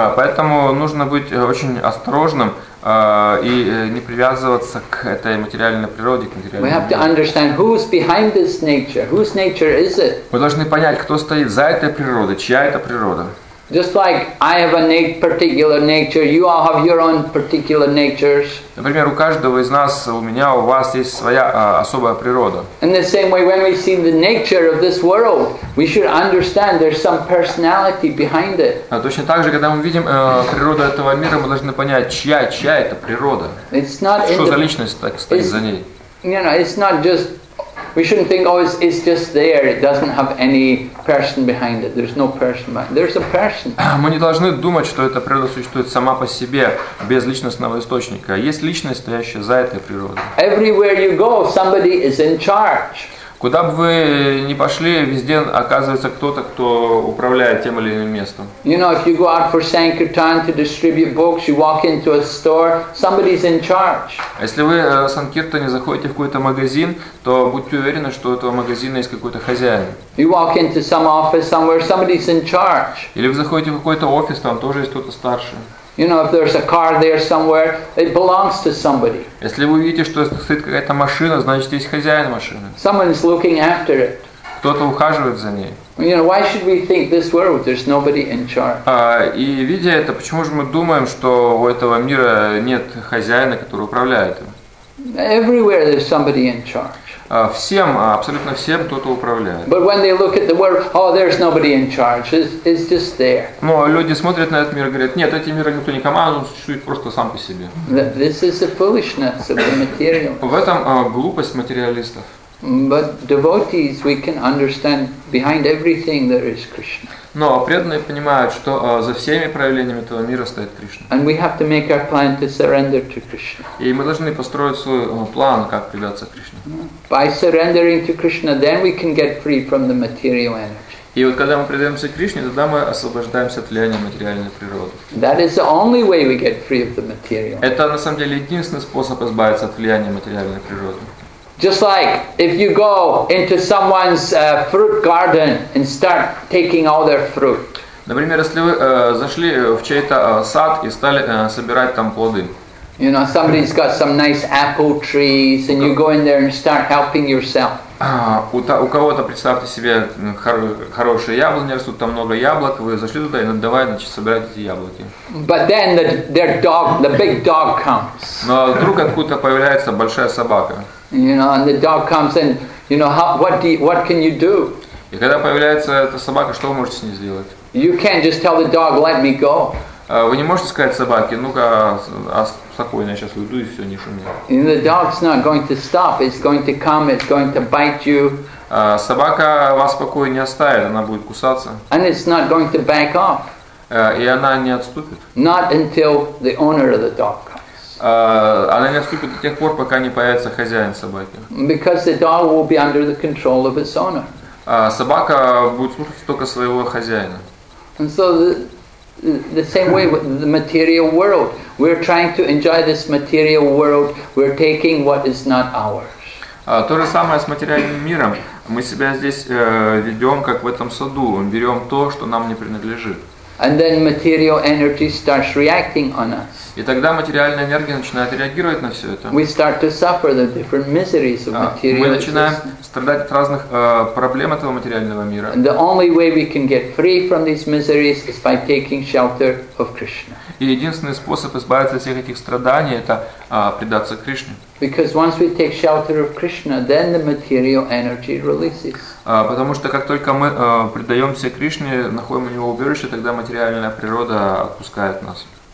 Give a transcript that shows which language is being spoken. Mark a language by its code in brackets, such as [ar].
[ru] Поэтому нужно быть очень осторожным и не привязываться к этой материальной природе, к материальному. [en] We have to understand who's behind this nature. Whose nature is it? [ru] Мы должны понять, кто стоит за этой природой, чья это природа. [en] Just like I have a particular nature, you all have your own particular natures. [ru] Например, у каждого из нас, у меня, у вас есть своя особая природа. [en] In the same way, when we see the nature of this world, we should understand there's some personality behind it. [ru] Точно так же, когда мы видим природу этого мира, мы должны понять, чья это природа. [en] It's not [ru] что за личность так стоит за ней. [en] You know, it's not just. We shouldn't think, oh, it's just there. It doesn't have any person behind it. There's no person behind it. There's a person. [ru] Мы не должны думать, что эта природа существует сама по себе без личностного источника. Есть личность, стоящая за этой природой. [en] Everywhere you go, somebody is in charge. [ru] Куда бы вы ни пошли, везде оказывается кто-то, кто управляет тем или иным местом. [en] You know, if you go out for sankirtan to distribute books, you walk into a store, somebody's in charge. [ru] Если вы в санкиртане заходите в какой-то магазин, то будьте уверены, что у этого магазина есть какой-то хозяин. [en] You walk into some office somewhere, somebody's in charge. [ru] Или вы заходите в какой-то офис, там тоже есть кто-то старше. [en] You know, if there's a car there somewhere, it belongs to somebody. [ru] Если вы видите, что стоит какая-то машина, значит, есть хозяин машины. [en] Someone is looking after it. [ru] Кто-то ухаживает за ней. [en] You know, why should we think this world, there's nobody in charge? [ru] И видя это, почему же мы думаем, что у этого мира нет хозяина, который управляет им? [en] Everywhere there's somebody in charge. [ru] Всем, абсолютно всем кто-то управляет. [en] But when they look at the world, oh, there's nobody in charge. It's just there. [ru] Но люди смотрят на этот мир и говорят: нет, этим миром никто не командует, он существует просто сам по себе. [en] This is the foolishness of the material. [ru] В этом глупость материалистов. [en] But devotees, we can understand behind everything there is Krishna. [ru] Но преданные понимают, что за всеми проявлениями этого мира стоит Кришна. [en] And we have to make our plan to surrender to Krishna. [ru] И мы должны построить свой план, как предаться Кришне. [en] By surrendering to Krishna, then we can get free from the material energy. [ru] И вот когда мы предаемся Кришне, тогда мы освобождаемся от влияния материальной природы. [en] That is the only way we get free of the material. [ru] Это на самом деле единственный способ избавиться от влияния материальной природы. [en] Just like if you go into someone's fruit garden and start taking all their fruit. [ru] Например, если вы зашли в чей-то сад и стали собирать там плоды. [en] You know, somebody's got some nice apple trees, and you go in there and start helping yourself. [ru] У кого-то представьте себе хорошие яблони растут, там много яблок, вы зашли туда и давай начать собирать эти яблоки. [en] But then the big dog comes. [ru] Но вдруг откуда-то появляется большая собака. [en] You know, and the dog comes in. You know, what can you do? [ru] И когда появляется эта собака, что вы можете с ней сделать? [en] You can't just tell the dog, "Let me go." [ru] Вы не можете сказать собаке, ну-ка, спокойно, я сейчас уйду и все, не шуми. [en] And the dog's not going to stop. It's going to come. It's going to bite you. [ru] Собака вас спокойно не оставит, она будет кусаться. [en] And it's not going to back off. [ru] И она не отступит. [en] Not until the owner of the dog comes. [ru] Она не отступит до тех пор, пока не появится хозяин собаки. [en] Because the dog will be under the control of its owner. [ru] Собака будет слушаться только своего хозяина. [en] And so the same way with the material world. We're trying to enjoy this material world. We're taking what is not ours. [ru] То же самое с материальным миром. Мы себя здесь ведем, как в этом саду. Мы берем то, что нам не принадлежит. [en] And then material energy starts reacting on us. [ru] И тогда материальная энергия начинает реагировать на все это. [en] We start to suffer the different miseries of material. [ru] Мы начинаем страдать от разных проблем этого материального мира. [en] And the only way we can get free from these miseries is by taking shelter of Krishna. [ru] И единственный способ избавиться от всех этих страданий — это предаться Кришне. [en] Because once we take shelter of Krishna, then the material energy releases. [ru] Потому что как только мы предаемся Кришне, находим у него убежище, тогда материальная природа отпускает нас.